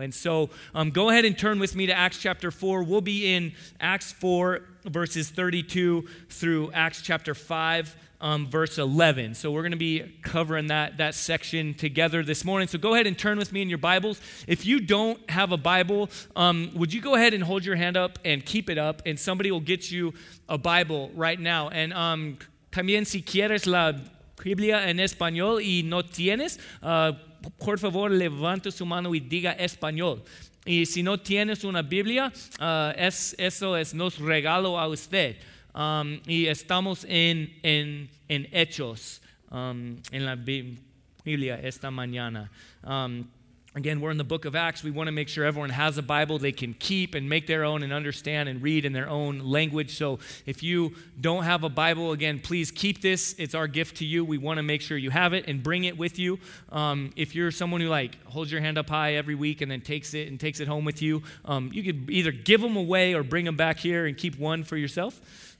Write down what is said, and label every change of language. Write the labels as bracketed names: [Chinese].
[English] And so go ahead and turn with me to Acts chapter 4. We'll be in Acts 4, verses 32 through Acts chapter 5. Verse 11. So we're going to be covering that section together this morning. So go ahead and turn with me in your Bibles. If you don't have a Bible, would you go ahead and hold your hand up and keep it up, and somebody will get you a Bible right now. [Spanish] And también si quieres la Biblia en español y no tienes, por favor levanta su mano y diga español. Y si no tienes una Biblia, eso es nos regalo a usted. Y estamos en Hechos, en la Biblia esta mañana. [English] Again, we're in the book of Acts. We want to make sure everyone has a Bible they can keep and make their own and understand and read in their own language. So if you don't have a Bible, again, please keep this. It's our gift to you. We want to make sure you have it and bring it with you. If you're someone who like holds your hand up high every week and then takes it home with you, you could either give them away or bring them back here and keep one for yourself.